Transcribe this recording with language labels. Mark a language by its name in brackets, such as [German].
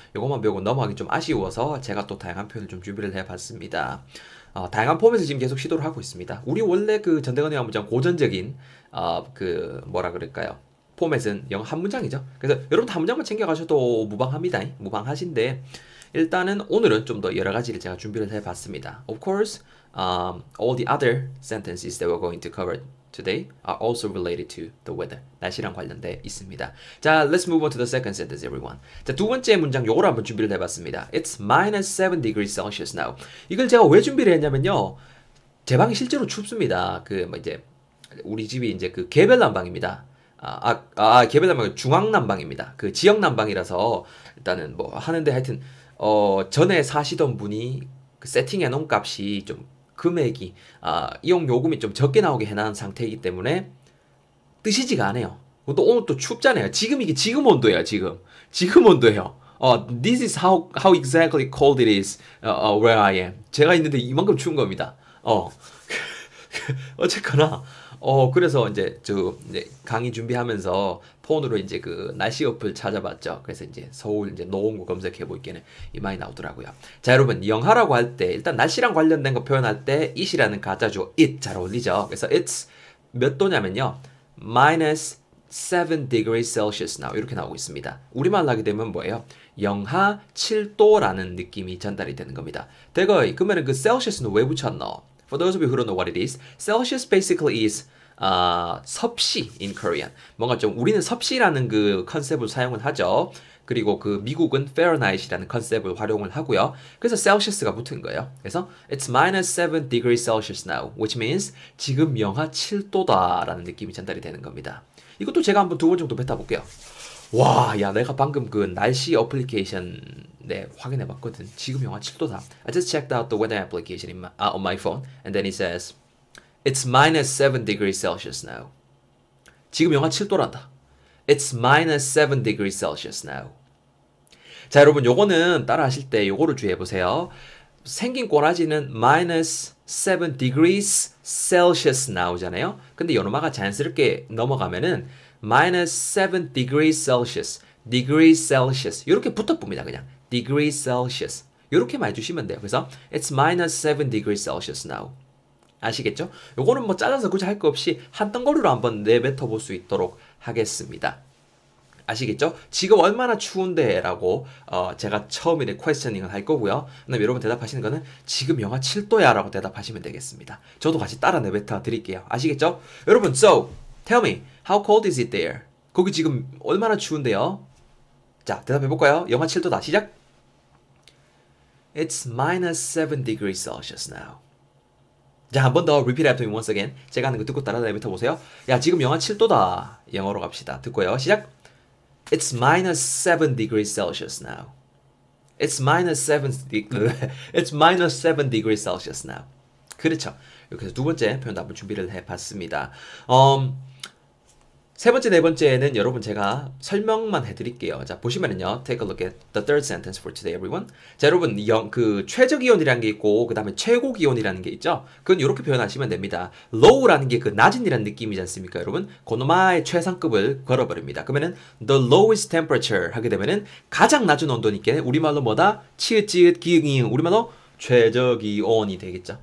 [Korean] 이것만 배우고 넘어가기 좀 아쉬워서 제가 또 다양한 표현을 좀 준비를 해봤습니다. 다양한 포맷을 지금 계속 시도를 하고 있습니다. 우리 원래 그 전대건의 문장 고전적인 그 뭐라 그럴까요? 포맷은 영어 한 문장이죠. 그래서 여러분 한 문장만 챙겨가셔도 무방합니다. 무방하신데 일단은 오늘은 좀더 여러 가지를 제가 준비를 해봤습니다. [English] Of course, all the other sentences that we're going to cover today are also related to the weather. [Korean] 날씨랑 관련돼 있습니다. [English] 자, let's move on to the second sentence, everyone. [Korean] 자, 두 번째 문장 요거를 한번 준비를 해봤습니다. [English] It's minus 7 degrees Celsius now. [Korean] 이걸 제가 왜 준비를 했냐면요. 제 방이 실제로 춥습니다. 그, 뭐 이제, 우리 집이 이제 그 개별 난방입니다. 개별 난방은 중앙 난방입니다. 그 지역 난방이라서 일단은 뭐 하는데 하여튼, 전에 사시던 분이 그 세팅해 놓은 값이 좀 금액이, 이용 요금이 좀 적게 나오게 해놓은 상태이기 때문에 뜨시지가 않아요. 또 오늘 또 춥잖아요. 지금 이게 지금 온도예요, 지금. 지금 온도예요. [English] This is how exactly cold it is, where I am. [Korean] 제가 있는데 이만큼 추운 겁니다. 어쨌거나. 그래서 이제 저 이제 강의 준비하면서 폰으로 이제 그 날씨 어플 찾아봤죠. 그래서 이제 서울 이제 노원구 검색해 보니까는 많이 나오더라고요. 자, 여러분 영하라고 할때 일단 날씨랑 관련된 거 표현할 때 it이라는 가짜죠. it 잘 어울리죠. 그래서 it's 몇 도냐면요. [English] minus 7 degrees Celsius now [Korean] 이렇게 나오고 있습니다. 우리말로 하게 되면 뭐예요? 영하 7도라는 느낌이 전달이 되는 겁니다. 대거 그러면 그 Celsius는 왜 붙였노? [English] For those of you who don't know what it is, Celsius basically is 섭씨 in Korean. [Korean] 뭔가 좀 우리는 섭씨라는 그 컨셉을 사용을 하죠. 그리고 그 미국은 Fahrenheit이라는 컨셉을 활용을 하고요. 그래서 Celsius가 붙은 거예요. 그래서 [English] it's minus 7 degrees Celsius now, which means [Korean] 지금 영하 7도다라는 느낌이 전달이 되는 겁니다. 이것도 제가 한번 두번 정도 뱉어볼게요. 와, 야, 내가 방금 그 날씨 어플리케이션 네, 확인해봤거든. 지금 영하 7도다. [English] I just checked out the weather application on my phone, and then it says, It's minus 7 degrees Celsius now. [Korean] 지금 영하 7도란다. [English] It's minus 7 degrees Celsius now. [Korean] 자, 여러분, 요거는 따라 하실 때 요거를 주의해보세요. 생긴 꼬라지는 [English] minus 7 degrees Celsius now [Korean] 잖아요. 근데 연음하가 자연스럽게 넘어가면은 [English] minus 7 degrees Celsius, degrees Celsius. [Korean] 이렇게 붙어봅니다, 그냥. [English] degrees Celsius. [Korean] 이렇게만 해주시면 돼요. 그래서 [English] it's minus 7 degrees Celsius now. [Korean] 아시겠죠? 요거는 뭐 잘라서 굳이 할거 없이 한덩어리로 한번 내뱉어볼 수 있도록 하겠습니다. 아시겠죠? 지금 얼마나 추운데? 라고 제가 처음에 퀘스처닝을 할 거고요. 그다음에 여러분 대답하시는 거는 지금 영하 7도야 라고 대답하시면 되겠습니다. 저도 같이 따라 내뱉어 드릴게요. 아시겠죠? [English] 여러분, so, tell me, how cold is it there? [Korean] 거기 지금 얼마나 추운데요? 자, 대답해 볼까요? 영하 7도다. 시작! [English] It's minus 7 degrees Celsius now. [Korean] 자, 한번더 [English] repeat after me once again. [Korean] 제가 하는 거 듣고 따라 내뱉어 보세요. 야, 지금 영하 7도다. 영어로 갑시다. 듣고요. 시작! [English] It's minus 7 degrees Celsius now. It's minus 7 degrees Celsius now. 그렇죠. [Korean] 이렇게 해서 두 번째 표현도 한번 준비를 해 봤습니다. 세 번째, 네 번째에는 여러분 제가 설명만 해드릴게요. 자, 보시면은요. [English] Take a look at the third sentence for today, everyone. [Korean] 자, 여러분, 그 최저기온이라는 게 있고, 그 다음에 최고기온이라는 게 있죠? 그건 이렇게 표현하시면 됩니다. low라는 게그 낮은이라는 느낌이지 않습니까, 여러분? 고노마의 최상급을 걸어버립니다. 그러면은 [English] the lowest temperature [Korean] 하게 되면은 가장 낮은 온도니까 우리말로 뭐다? 치읓치읓 기응이응. 우리말로 최저기온이 되겠죠?